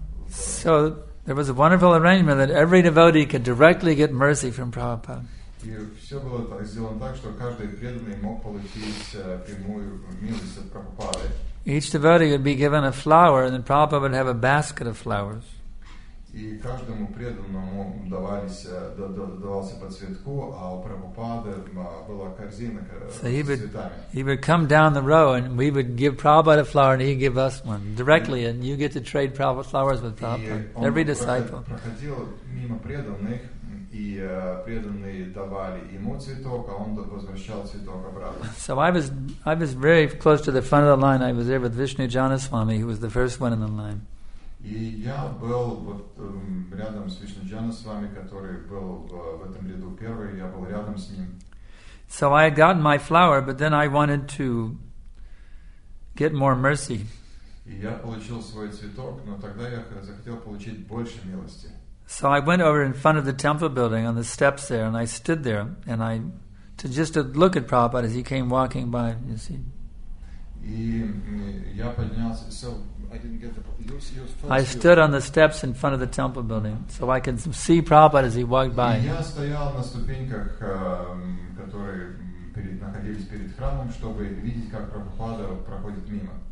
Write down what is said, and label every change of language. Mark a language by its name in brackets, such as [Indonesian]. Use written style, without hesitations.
[English] So there was a wonderful arrangement that every devotee could directly get mercy from Prabhupada. [Russian] И все было так сделано так, что каждый преданный мог получить прямую милость от Прабхупады. [English] Each devotee would be given a flower, and then Prabhupada would have a basket of flowers. [Russian] И каждому преданному давался по цветку, а у Прабхупады была корзина с цветами. [English] He would come down the row, and we would give Prabhupada a flower, and he'd give us one directly, and you get to trade Prabhupada flowers with Prabhupada. Every disciple. [Russian] Проходил мимо преданных, и преданные давали ему цветок, а он возвращал цветок обратно. [English] So I was very close to the front of the line. I was there with Vishnu Janaswami, who was the first one in the line. [Russian] И я был вот рядом с Вишну Джанасвами, который был в этом ряду первый. Я был рядом с ним. [English] So I had gotten my flower, but then I wanted to get more mercy. [Russian] И я получил свой цветок, но тогда я захотел получить больше милости. [English] So I went over in front of the temple building on the steps there, and I stood there, and I to just to look at Prabhupada as he came walking by. You see. [Russian] И я поднялся. [English] So I didn't get the. I stood on the steps in front of the temple building, so I could see Prabhupada as he walked by. [Russian] И я стоял на ступеньках, которые находились перед храмом, чтобы видеть, как Прабхупада проходит мимо.